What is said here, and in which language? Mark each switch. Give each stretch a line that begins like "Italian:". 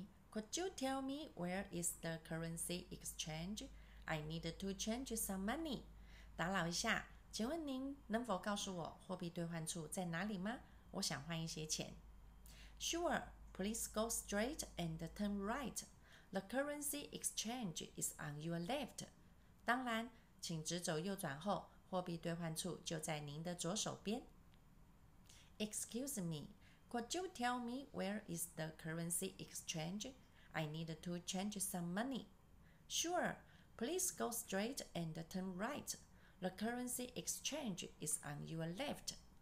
English: Could you tell me where is the currency exchange? I need to change some money.
Chinese: 打扰一下，请问您能否告诉我货币兑换处在哪里吗？我想换一些钱。
English: Sure, please go straight and turn right. The currency exchange is on your left.
Chinese: 当然，请直走右转后，货币兑换处就在您的左手边。
English: Excuse me. Could you tell me where is the currency exchange? I need to change some money. Sure, please go straight and turn right. The currency exchange is on your left.